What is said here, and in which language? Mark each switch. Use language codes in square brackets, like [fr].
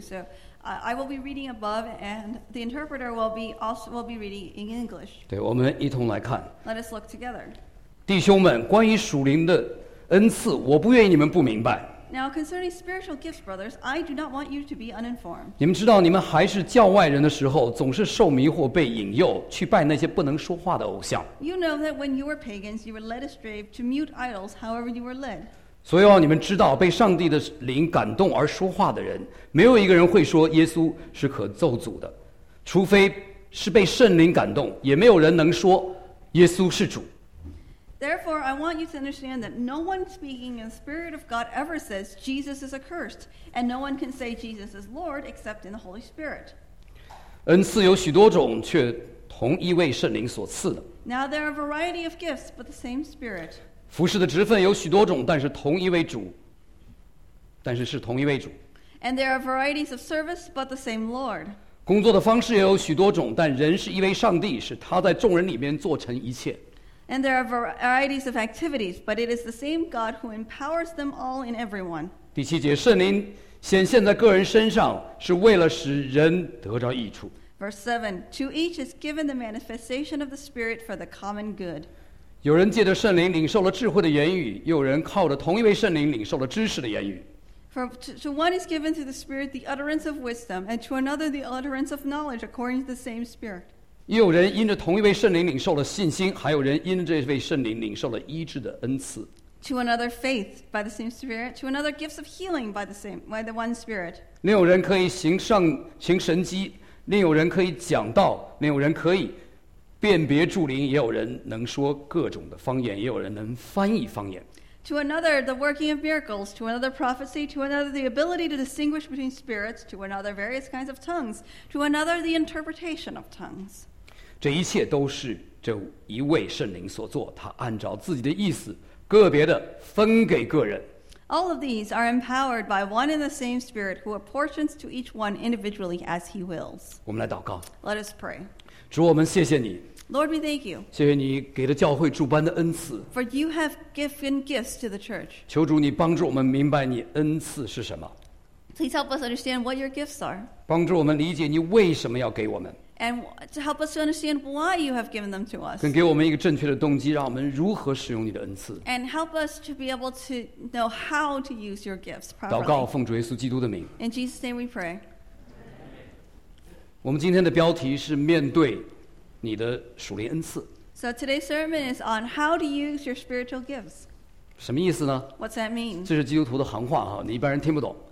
[en] So I will be reading above, and the interpreter will be reading in English. [zh] 对，我们一同来看。 [en] Let us look together. [zh] 弟兄们，关于属灵的恩赐，我不愿意你们不明白。 [en] Now concerning spiritual gifts, brothers, I do not want you to be uninformed. [zh] 你们知道，你们还是教外人的时候，总是受迷惑、被引诱去拜那些不能说话的偶像。 [en] You know that when you were pagans, you were led astray to mute idols. However, you were led. [zh] 所以你们知道，被上帝的灵感动而说话的人，没有一个人会说耶稣是可咒诅的，除非是被圣灵感动，也没有人能说耶稣是主。 [en] Therefore, I want you to understand that no one speaking in the Spirit of God ever says Jesus is accursed, and no one can say Jesus is Lord except in the Holy Spirit. [zh] 恩赐有许多种，却同一位圣灵所赐的。 [en] Now there are a variety of gifts, but the same Spirit. [zh] 服事的职分有许多种，但是同一位主。但是是同一位主。 [en] And there are varieties of service, but the same Lord. [zh] 工作的方式也有许多种，但人是一位上帝，是他在众人里面做成一切。 [en] And there are varieties of activities, but it is the same God who empowers them all in everyone. [zh] 第七节，圣灵显现在个人身上，是为了使人得着益处。 [en] Verse 7, to each is given the manifestation of the Spirit for the common good. [zh] 有人借着圣灵领受了智慧的言语，又有人靠着同一位圣灵领受了知识的言语。 [en] To one is given through the Spirit the utterance of wisdom, and to another the utterance of knowledge according to the same Spirit. [zh] 又有人因着同一位圣灵领受了信心，还有人因着这位圣灵领受了医治的恩赐。 [en] To another faith by the same Spirit, to another gifts of healing by the one Spirit. [zh] 另有人可以行神迹，另有人可以讲道，另有人可以辨别诸灵，也有人能说各种的方言，也有人能翻译方言。 [en] To another, the working of miracles, to another, prophecy, to another, the ability to distinguish between spirits, to another, various kinds of tongues, to another, the interpretation of tongues. [zh] 这一切都是这一位圣灵所做，他按照自己的意思，个别的分给个人。 [en] All of these are empowered by one and the same Spirit who apportions to each one individually as he wills. [zh] 我们来祷告。 [en] Let us pray. [zh] 主，我们谢谢你。 [en] Lord, we thank you. [zh] 谢谢你给了教会诸般的恩赐。 [en] For you have given gifts to the church. [zh] 求主你帮助我们明白你恩赐是什么。 [en] Please help us understand what your gifts are. [zh] 帮助我们理解你为什么要给我们。 [en] And to help us to understand why you have given them to us. [zh] 更给我们一个正确的动机，让我们如何使用你的恩赐。 [en] And help us to be able to know how to use your gifts properly. [zh] 祷告奉主耶稣基督的名。 [en] In Jesus' name we pray. [zh] 我们今天的标题是面对你的属灵恩赐。 [en] So today's sermon is on how to use your spiritual gifts. [zh] 什么意思呢？ [en] What's that mean? [zh] 这是基督徒的行话，你一般人听不懂。